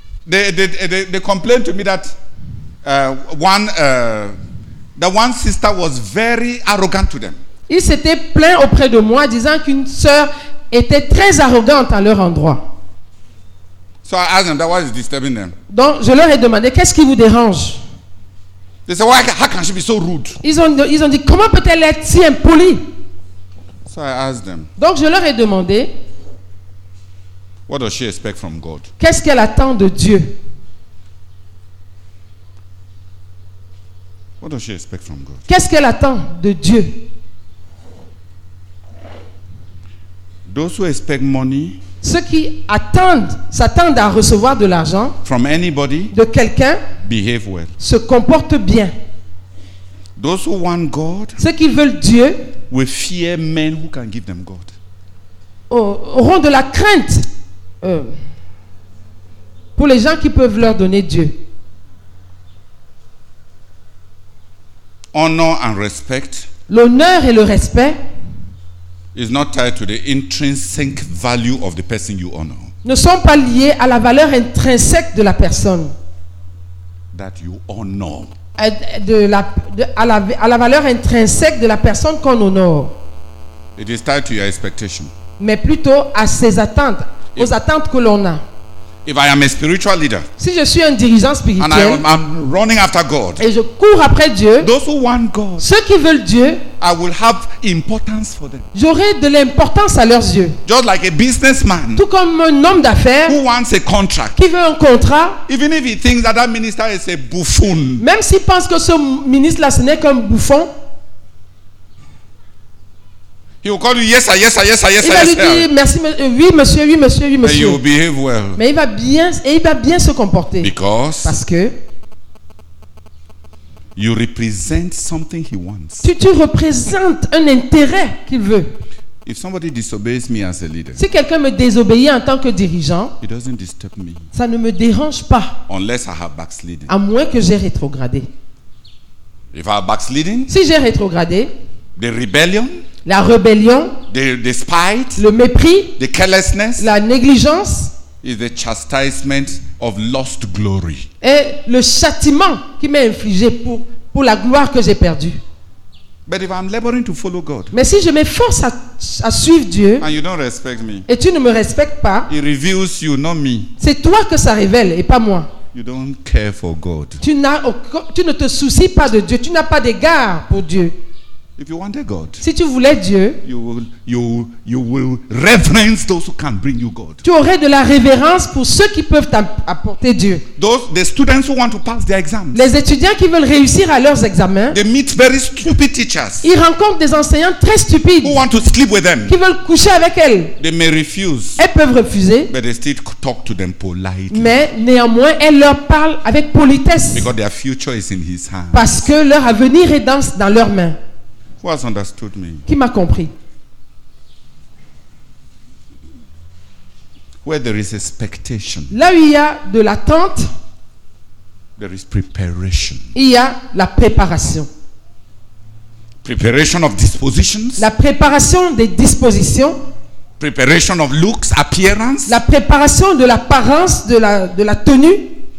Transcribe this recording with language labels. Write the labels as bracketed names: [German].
[English] They complained to me that one sister was very arrogant to them. [French] Ils s'étaient plaints auprès de moi, disant qu'une sœur était très arrogante à leur endroit. [English] So I asked them, that was disturbing them. [French] Donc je leur ai demandé, qu'est-ce qui vous dérange? [English] They said, why? How can she be so rude? [French] Ils ont dit, comment peut-elle être si impolie? [English] So I asked them, [French] donc je leur ai demandé, [English] what does she expect from God? [French] Qu'est-ce qu'elle attend de Dieu? [English] What does she expect from God? [French] Qu'est-ce qu'elle attend de Dieu? [English] Those who expect money, [French] ceux qui s'attendent à recevoir de l'argent [English] from anybody, [French] de quelqu'un, [English] behave well. [French] Se comportent bien. [English] Those who want God, [French] ceux qui veulent Dieu, [English] we fear men who can give them God. [French] Auront de la crainte pour les gens qui peuvent leur donner Dieu. [English] Honor and respect. [French] L'honneur et le respect [English] is not tied to the intrinsic value of the person you honor. [French] Ne sont pas liés à la valeur intrinsèque de la personne. [English] That you honor. [French] À la valeur intrinsèque de la personne qu'on honore. [English] It is tied to your expectation. [French] Mais plutôt à ses attentes, aux attentes que l'on a. [English] If I am a spiritual leader, [French] si je suis un dirigeant spirituel, [English] and I'm running after God, [French] et je cours après Dieu, [English] those who want God, [French] ceux qui veulent Dieu, [English] I will have importance for them. [French] J'aurai de l'importance à leurs yeux. [English] Just like a businessman, [French] tout comme un homme d'affaires, [English] who wants a contract, [French] qui veut un contrat, [English] even if he thinks that that minister is a buffoon, [French] même s'il pense que ce ministre là ce n'est qu'un bouffon. [English] He will call you yes, sir, yes, sir, yes, sir, yes, sir. [French] Il va lui dire merci, oui, monsieur, oui, monsieur, oui, monsieur. [English] And you behave well. [French] Mais il va bien se comporter. [English] Because. [French] Parce que. [English] You represent something he wants. [French] Tu représentes un intérêt qu'il veut. [English] If somebody disobeys me as a leader. [French] Si quelqu'un me désobéit en tant que dirigeant. [English] It doesn't disturb me. [French] Ça ne me dérange pas. [English] Unless I have backslidden. [French] À moins que j'ai rétrogradé. [English] If I have backslidden. [French] Si j'ai rétrogradé. [English] The rebellion. [French] La rébellion, [English] the spite, [French] le mépris, [English] the carelessness, [French] la négligence, [English] is the chastisement of lost glory. [French] Est le châtiment qui m'est infligé pour la gloire que j'ai perdue. [English] But if I'm laboring to follow God, [French] mais si je m'efforce à suivre Dieu, [English] and you don't respect me, [French] et tu ne me respectes pas, [English] it reveals you, not me. [French] C'est toi que ça révèle et pas moi. [English] You don't care for God. [French] Tu ne te soucies pas de Dieu, tu n'as pas d'égard pour Dieu. [English] If you wanted God, [French] si tu voulais Dieu, [English] you will reverence those who can bring you God. [French] Tu aurais de la révérence pour ceux qui peuvent t'apporter Dieu. [English] The students who want to pass their exams. [French] Les étudiants qui veulent réussir à leurs examens. [English] They meet very stupid teachers. [French] Ils rencontrent des enseignants très stupides. [English] Who want to sleep with them. [French] Qui veulent coucher avec elles. [English] They may refuse. [French] Elles peuvent refuser. [English] But they still talk to them politely. [French] Mais néanmoins, elles leur parlent avec politesse. [English] Because their future is in his hands. [French] Parce que leur avenir est dans leurs mains. [English] Who has understood me? [French] Qui m'a compris? [English] Where there is expectation. [French] Là où il y a de l'attente. [English] There is preparation. [French] Il y a la préparation. [English] Preparation of dispositions. [French] La préparation des dispositions. [English] Preparation of looks, appearance. [French] La préparation de l'apparence, de la tenue.